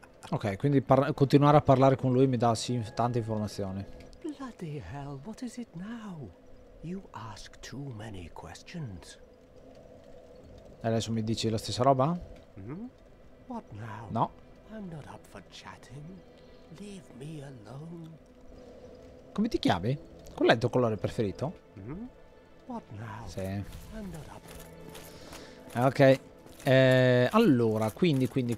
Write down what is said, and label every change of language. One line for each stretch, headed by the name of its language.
Italian: Ok, quindi continuare a parlare con lui mi dà sì tante informazioni.
English: Bloody hell, what is it now? You ask too many questions.
Italian: E adesso mi dici la stessa roba?
English: What now? No. I'm not up for chatting. Leave me alone.
Italian: Come ti chiami? Qual è il tuo colore preferito?
English: What now? Sì. I'm not up. Ok.
Italian: Allora, quindi.